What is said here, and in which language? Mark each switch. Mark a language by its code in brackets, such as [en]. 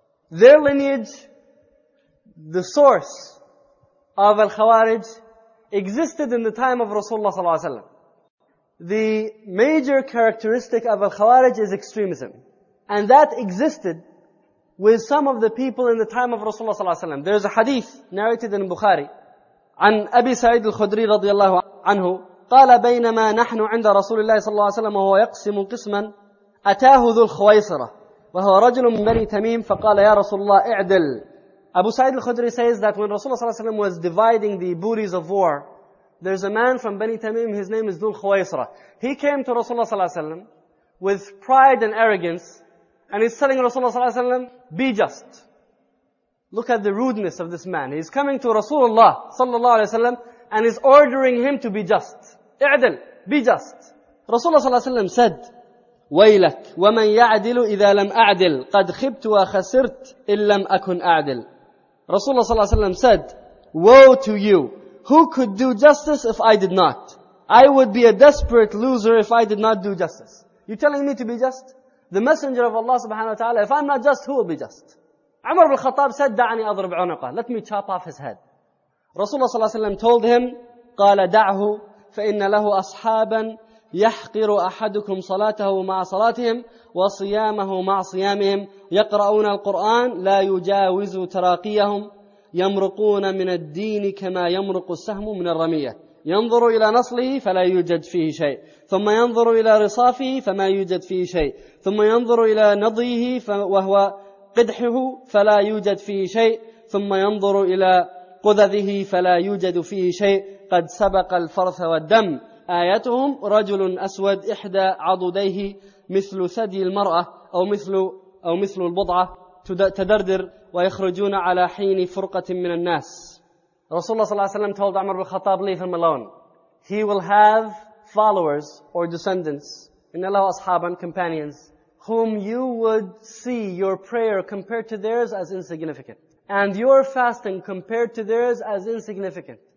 [en] Their lineage, the source of Al-Khawarij, existed in the time of Rasulullah sallallahu alaihi wasallam. The major characteristic of Al-Khawarij is extremism. And that existed with some of the people in the time of Rasulullah sallallahu alaihi wasallam. There's a hadith narrated in Bukhari. [ar] عن أبي سعيد الخدري رضي الله عنه قال بينما نحن عند رسول الله صلى الله عليه وسلم وهو يقسم قسما أتاه ذو الخويصرة وهو رجل من بني تميم فقال يا رسول الله اعدل. [en] Abu Sa'id al-Khudri says that when Rasulullah sallallahu alaihi wasallam was dividing the booties of war, there's a man from Bani Tamim, his name is Dhul Khuwaisra. He came to Rasulullah sallallahu alaihi wasallam with pride and arrogance, and he's telling Rasulullah sallallahu alaihi wasallam, be just. Look at the rudeness of this man. He's coming to Rasulullah sallallahu alaihi wasallam and he's ordering him to be just. I'dil, be just. [ar] Rasulullah sallallahu alaihi wasallam said, ويلك ومن يعدل إذا لم أعدل قد خبت وخسرت إن لم أكن أعدل. [en] Rasulullah sallallahu alaihi wasallam said, woe to you, who could do justice if I did not? I would be a desperate loser if I did not do justice. You're telling me to be just? The Messenger of Allah subhanahu wa ta'ala, if I'm not just, who will be just? Umar ibn al-Khattab said, [ar] دعني أضرب عنقه, [en] let me chop off his head. Rasulullah sallallahu alaihi wasallam told him, [ar] قال دعه فإن له أصحابا يحقر أحدكم صلاته مع صلاتهم وصيامه مع صيامهم يقرؤون القرآن لا يجاوز تراقيهم يمرقون من الدين كما يمرق السهم من الرمية ينظر إلى نصله فلا يوجد فيه شيء ثم ينظر إلى رصافه فما يوجد فيه شيء ثم ينظر إلى نضيه وهو قدحه فلا يوجد فيه شيء ثم ينظر إلى قذذه فلا يوجد فيه شيء قد سبق الفرث والدم آيتهم رجل أسود إحدى عضديه مثل ثدي المرأة أو مثل البضعة تدردر ويخرجون على حين فرقة من الناس. [en] Rasulullah sallallahu alaihi wasallam told Umar bin Khattab, leave him alone. He will have followers or descendants, [ar] إن الله أصحابا, [en] companions, whom you would see your prayer compared to theirs as insignificant, and your fasting compared to theirs as insignificant.